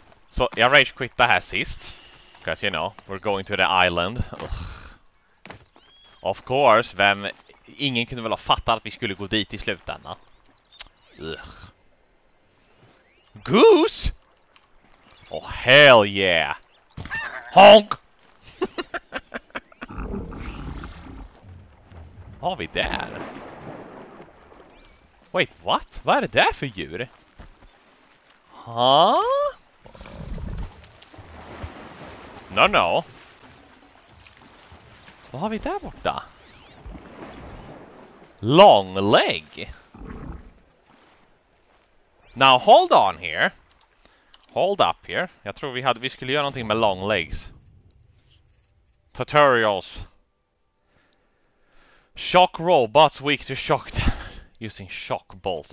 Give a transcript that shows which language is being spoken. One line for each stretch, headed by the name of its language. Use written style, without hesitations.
Swedish: Så jag rage quittade här sist.
English: Because, you know, we're going to the island. Of course,
Swedish: vem... Ingen kunde väl ha fattat att vi skulle gå dit i slutändan.
English: Ugh. Goose! Oh, hell yeah! Honk!
Swedish: Vad har vi där?
English: Wait, what?
Swedish: Vad är det där för djur? Huh?
English: No, no.
Swedish: Vad har vi där borta?
English: Long leg. Now, hold on here. Hold up here.
Swedish: Jag tror vi skulle göra någonting med long legs.
English: Tutorials. Shock robots weak to shock damage using shock bolts.